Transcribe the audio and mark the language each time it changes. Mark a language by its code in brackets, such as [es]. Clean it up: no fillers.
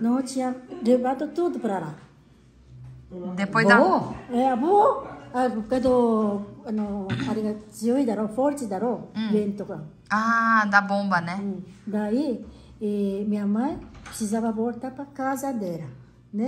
[pt] Não, tinha levado tudo para lá. Depois da... Boa! Ah, porque do, [ja] あれが強いだろう、フォルチだろう、ベントが。 [pt] Ah, da bomba, né? Daí, minha mãe precisava voltar para casa dela, né?